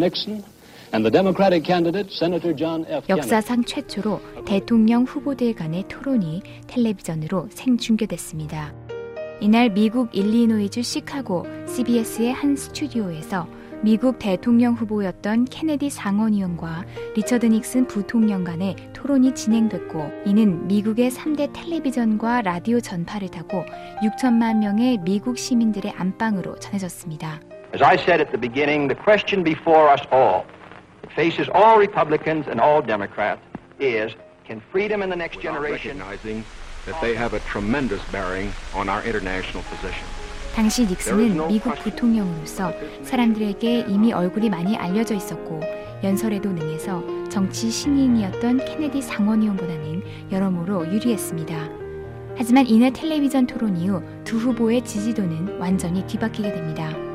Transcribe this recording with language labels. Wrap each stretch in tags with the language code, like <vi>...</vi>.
<en>Nixon and the Democratic candidate Senator John F. Kennedy.</en> <ko>역사상 최초로 대통령 후보들 간의 토론이 텔레비전으로 생중계됐습니다. 이날 미국 일리노이주 시카고 CBS의 한 스튜디오에서 미국 대통령 후보였던 케네디 상원의원과 리처드 닉슨 부통령 간의 토론이 진행됐고, 이는 미국의 3대 텔레비전과 라디오 전파를 타고 6천만 명의 미국 시민들의 안방으로 전해졌습니다.</ko> <en>As I said at the beginning, the question before us all, that faces all Republicans and all Democrats, is can freedom in the next generation that they have a tremendous bearing on our international position.</en> <ko>당시 닉슨은 미국 부통령으로서 사람들에게 이미 얼굴이 많이 알려져 있었고, 연설에도 능해서 정치 신인이었던 케네디 상원의원보다는 여러모로 유리했습니다. 하지만 이날 텔레비전 토론 이후 두 후보의 지지도는 완전히 뒤바뀌게 됩니다.</ko>